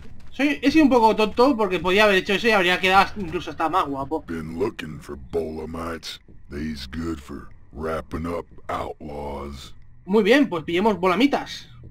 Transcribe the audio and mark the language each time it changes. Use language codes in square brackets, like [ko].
[es] Soy, he sido un poco tonto porque podía haber hecho eso y habría quedado incluso hasta más guapo. [en] Been looking for bolomites. These good for wrapping up outlaws. [es] Muy bien, pues pillemos bolamitas.